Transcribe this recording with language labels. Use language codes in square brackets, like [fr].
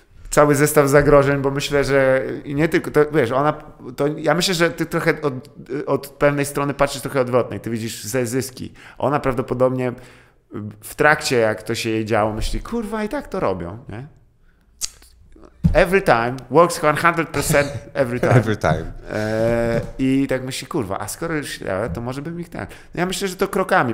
[pl] cały zestaw zagrożeń, bo myślę, że nie tylko, to, wiesz, ona, to ja myślę, że ty trochę od pewnej strony patrzysz trochę odwrotnie, ty widzisz ze zyski. Ona prawdopodobnie w trakcie, jak to się jej działo, myśli, kurwa, i tak to robią, nie? [en] Every time, works 100% every time. Every time. [pl] I tak myśli, kurwa, a skoro już śledziała, to może bym ich tak. No ja myślę, że to krokami.